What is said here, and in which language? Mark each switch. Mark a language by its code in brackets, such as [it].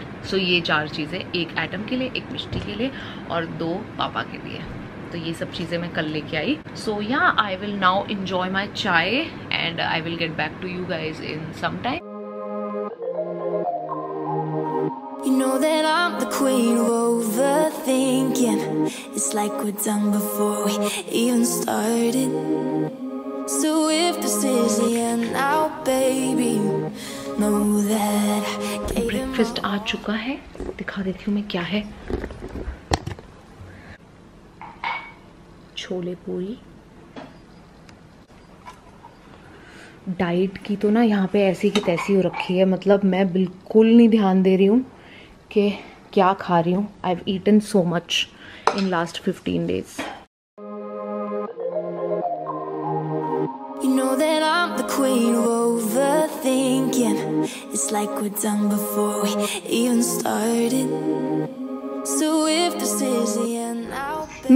[hi] सो ये चार चीज़ें, एक एटम के लिए, एक मिस्टी के लिए और दो पापा के लिए. तो ये सब चीज़ें मैं कल लेके आई. [en] So yeah I will now enjoy my chai and I will get back to you guys in some time. You know that I'm the queen of overthinking. It's like we're done before we even started. So if this is the end now, baby, know that I gave him. [hi] Breakfast आ चुका है, दिखा देती हूँ मैं क्या है. छोले पूरी. Diet की तो ना यहाँ पे ऐसी की तैसी हो रखी है, मतलब मैं बिल्कुल नहीं ध्यान दे रही हूँ के क्या खा रही हूँ. [en] I have eaten so much in last 15 days. You know that I am the queen of overthinking. It's like we done before we even started. So if this is the end, I'll be...